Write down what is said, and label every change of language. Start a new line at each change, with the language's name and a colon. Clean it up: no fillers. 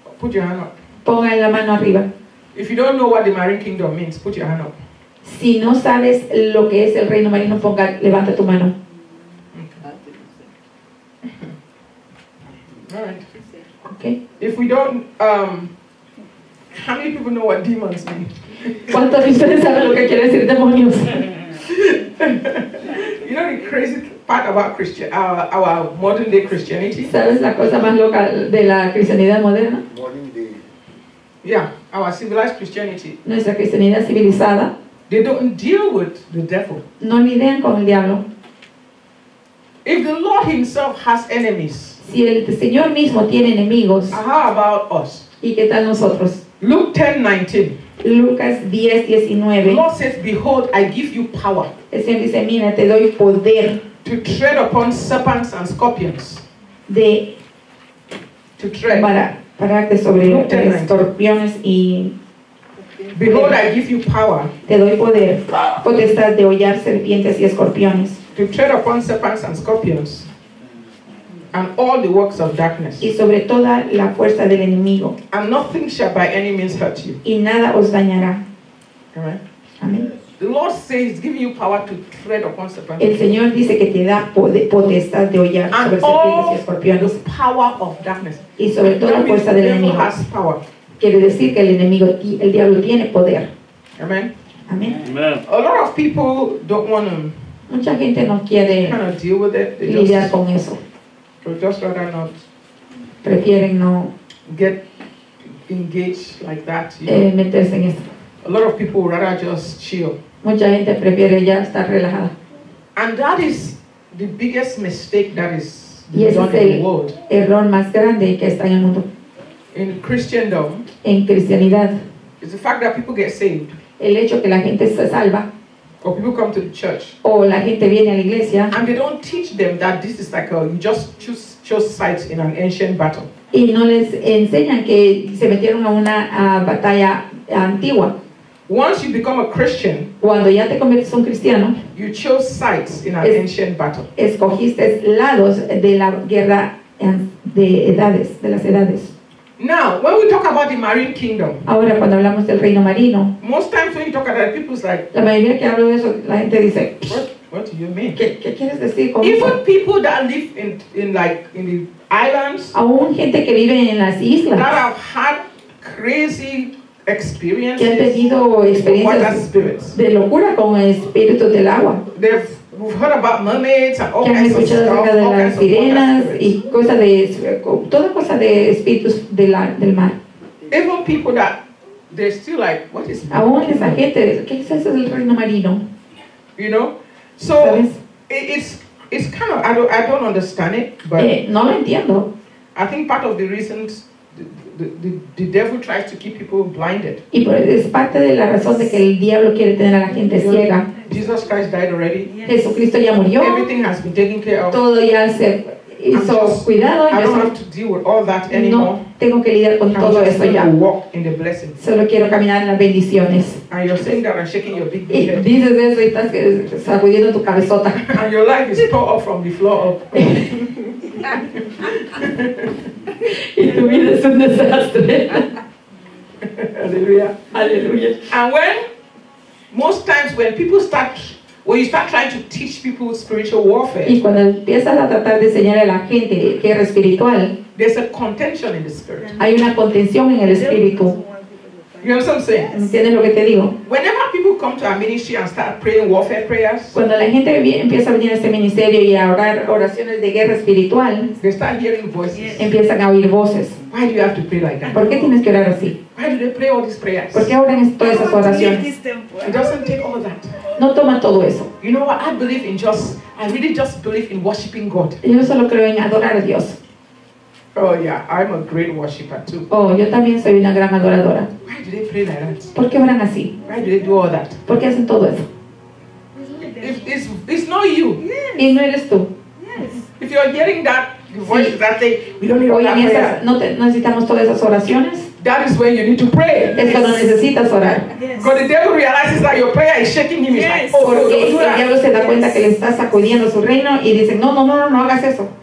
English: Put your hand up.
Spanish: Ponga la mano arriba.
English: If you don't know what the Marine Kingdom means, put your hand up.
Spanish: Si no sabes lo que es el reino marino, levanta tu mano.
English: Alright. Okay. If we don't, how many people know what demons mean?
Spanish: ¿Cuántos de ustedes saben lo que quiere decir demonios?
English: You know the crazy part about our modern day Christianity?
Spanish: ¿Sabes la cosa más loca de la cristianidad moderna?
English: Modern day. Yeah, our civilized Christianity.
Spanish: Nuestra cristianidad civilizada.
English: They don't deal with the devil.
Spanish: No lidian con el diablo.
English: If the Lord Himself has enemies.
Spanish: Si el Señor mismo tiene enemigos,
English: how about us?
Spanish: ¿Y qué tal nosotros?
English: Luke 10:19.
Spanish: Lucas 10:19.
English: The Lord says, "Behold, I give you power."
Spanish: El Señor dice, mira, te doy poder.
English: To tread upon serpents and scorpions.
Spanish: De.
English: To tread.
Spanish: Para que sobre escorpiones y.
English: Behold, I give you power.
Spanish: Te doy poder. Potestad de hollar serpientes y escorpiones.
English: To tread upon serpents and scorpions. And all the works of darkness.
Spanish: Y sobre toda la fuerza del enemigo.
English: And nothing shall by any means hurt you.
Spanish: Y nada os dañará.
English: Amen.
Spanish: Amen.
English: The Lord says, giving you power to tread upon serpents.
Spanish: El Señor dice que te da potestad de hollar sobre serpientes y escorpiones.
English: And all the power of darkness.
Spanish: Y sobre toda la fuerza del enemigo.
English: Has power.
Spanish: Quiere decir que el enemigo, el diablo tiene poder.
English: Amen.
Spanish: Amen. Amen.
English: A lot of people don't want to.
Spanish: Mucha gente no quiere lidiar con eso.
English: Or just rather not.
Spanish: Prefieren no
English: get engaged like that.
Spanish: Meterse en eso.
English: A lot of people would rather just chill.
Spanish: Mucha gente prefiere ya estar relajada.
English: And that is the biggest mistake that is done in the world.
Spanish: Error más grande que está en el mundo.
English: In Christendom.
Spanish: En cristianidad.
English: It's the fact that people get saved.
Spanish: El hecho que la gente se salva.
English: Or people come to the church.
Spanish: O la gente viene a la iglesia.
English: And they don't teach them that this is like you just chose sides in an ancient battle.
Spanish: Y no les enseñan que se metieron a una batalla antigua.
English: Once you become a Christian,
Spanish: cuando ya te conviertes un cristiano,
English: you chose sides in an ancient battle.
Spanish: Escogiste lados de la guerra de edades, de las edades.
English: Now, when we talk about the marine kingdom,
Spanish: ahora cuando hablamos del reino marino,
English: most times when you talk about it, people's like,
Spanish: la mayoría que hablo de eso, la gente dice,
English: what do you mean?
Spanish: ¿Qué quieres decir con eso?
English: Even people that live in like in the islands,
Spanish: aún gente que vive en las islas,
English: that have had crazy experiences,
Spanish: que han tenido experiencias de locura con espíritus del agua.
English: We've heard about mermaids and all
Spanish: que han
English: kinds
Spanish: escuchado acerca de las sirenas y cosas de toda cosa de espíritus del mar.
English: Even people that they're still like, what is?
Spanish: Aún esa gente, ¿qué es eso del reino marino?
English: You know, so
Spanish: ¿sabes?
English: it's kind of I don't understand it, but
Spanish: no lo entiendo.
English: I think part of the reasons the devil tries to keep people blinded.
Spanish: Y es parte de la razón de que el diablo quiere tener a la gente ciega.
English: Jesus Christ died already.
Spanish: Jesucristo ya murió.
English: Everything has been taken care of.
Spanish: Todo ya se hizo cuidado.
English: I don't have to deal with all that anymore.
Spanish: No tengo que lidiar con todo eso ya.
English: Walk in the blessings.
Spanish: Solo quiero caminar en las bendiciones.
English: And you're saying that and shaking your big head.
Spanish: Y dices eso y estás sacudiendo tu cabezota.
English: And your life is tore up from the floor up.
Spanish: Y tu vida es un desastre. Aleluya. Aleluya.
English: And when most times when people start when you start trying to teach people spiritual warfare.
Spanish: Y cuando empiezas a tratar de enseñar a la gente que es espiritual.
English: There's a contention in the spirit.
Spanish: Hay una contención en el espíritu.
English: You know what I'm saying?
Spanish: ¿Entiendes lo que te digo?
English: Whenever people come to our ministry and start praying warfare prayers,
Spanish: cuando la gente empieza a venir a este ministerio y a orar oraciones de guerra espiritual,
English: they start hearing voices.
Spanish: Empiezan a oír voces.
English: Why do you have to pray like that?
Spanish: ¿Por qué tienes que orar así?
English: Why do they pray all these prayers?
Spanish: ¿Por qué oran todas esas oraciones?
English: It doesn't take all that.
Spanish: No toma todo eso.
English: You know what? I really just believe in worshiping God.
Spanish: Yo solo creo en adorar a Dios.
English: Oh yeah, I'm a great worshipper too.
Spanish: Oh, yo también soy una gran adoradora.
English: Why do they pray like that?
Spanish: ¿Por qué oran así?
English: Why do they do all that?
Spanish: ¿Por qué hacen todo eso?
English: It's not you. Yes.
Spanish: Y no eres tú.
English: Yes. If you're hearing that voice,
Spanish: sí.
English: That thing, we don't need
Spanish: oye,
English: that
Spanish: no te, necesitamos todas esas oraciones.
English: That is when you need to pray.
Spanish: Es cuando necesitas orar.
English: Because the devil realizes that your prayer is shaking him. Yes. Like, oh,
Spanish: porque no, el diablo se da cuenta que le está sacudiendo su reino y dice, no hagas eso.